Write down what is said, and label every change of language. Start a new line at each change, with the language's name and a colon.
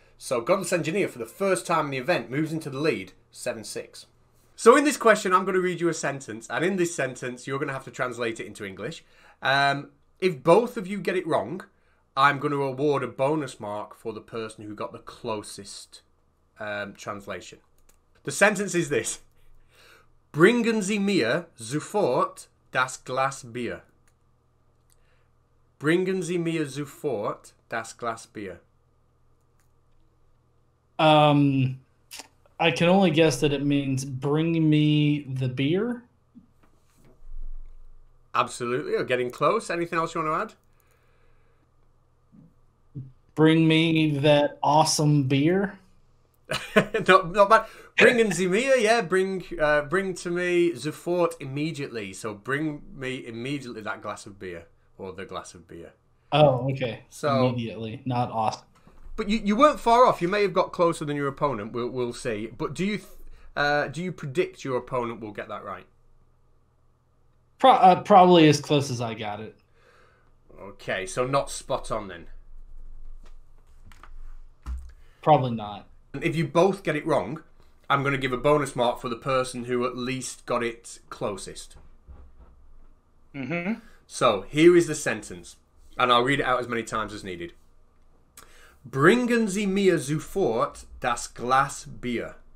English: So Godless Engineer, for the first time in the event, moves into the lead, 7-6. So in this question, I'm going to read you a sentence, and in this sentence, you're going to have to translate it into English. If both of you get it wrong, I'm going to award a bonus mark for the person who got the closest translation. The sentence is this.
German: Bringen Sie mir sofort das Glas Bier. Bringen Sie mir sofort das Glas Bier.
English: I can only guess that it means bring me the beer. Absolutely. We're getting close. Anything else you want to add? Bring me that awesome beer. not bad. Bring in Zemir, yeah. Bring to me Zufort immediately. So bring me immediately that glass of beer or the glass of beer. Oh, okay. So immediately, not awesome. But you weren't far off. You may have got closer than your opponent. We'll see. But do you predict your opponent will get that right? Probably as close as I got it. Okay, so not spot on then. Probably not. If you both get it wrong, I'm going to give a bonus mark for the person who at least got it closest. Mm-hmm. So here is the sentence, and I'll read it out as many times as needed.
German: Bringen Sie mir sofort das Glas Bier.